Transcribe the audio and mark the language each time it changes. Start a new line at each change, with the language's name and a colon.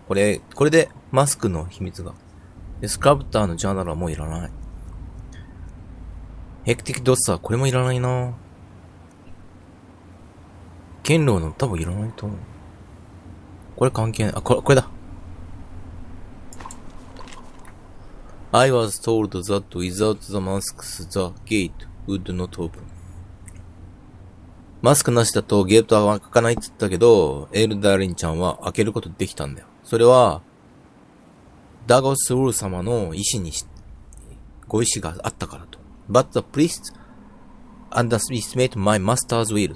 Japanese: これで、マスクの秘密が。で、スクラプターのジャーナルはもういらない。ヘクティックドッサー、これもいらないな。剣狼の多分いらないと思う。これ関係ない。あ、これだ。
English: I was told that without the masks, the gate would not open.
Japanese: マスクなしだとゲートは開かないって言ったけど、エルダリンちゃんは開けることできたんだよ。それは、ダゴスウル様の意志にし、ご意志があったからと。
English: But the priest underestimated my master's will.